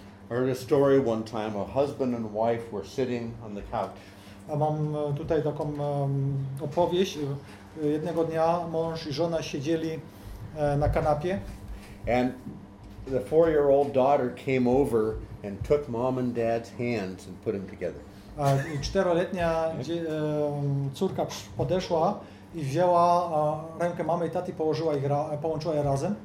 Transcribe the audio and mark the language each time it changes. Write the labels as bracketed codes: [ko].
[en] I heard a story one time, a husband and wife were sitting on the couch. [pl] Mam tutaj taką opowieść. Jednego dnia mąż i żona siedzieli na kanapie. [en] And the four-year-old daughter came over and took mom and dad's hands and put them together. [pl] I czteroletnia córka podeszła i wzięła rękę mamy i taty, położyła ich, połączyła je razem.